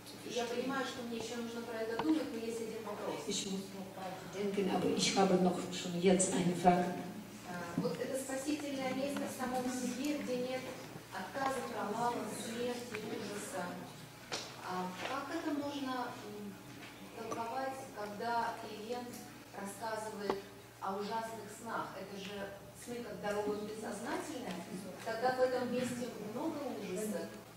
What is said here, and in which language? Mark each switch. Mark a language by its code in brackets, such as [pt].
[ru] Я понимаю, что мне еще нужно про это думать, но есть один вопрос. [de] Ich muss noch weiter denken, aber ich habe noch schon jetzt eine Frage. [ru] Вот это спасительное место в самом себе, где нет отказа, провала, смерти, ужаса. А как это можно толковать, когда клиент рассказывает о ужасных снах? Это же сны, когда он бессознательный, тогда в этом месте много ужаса.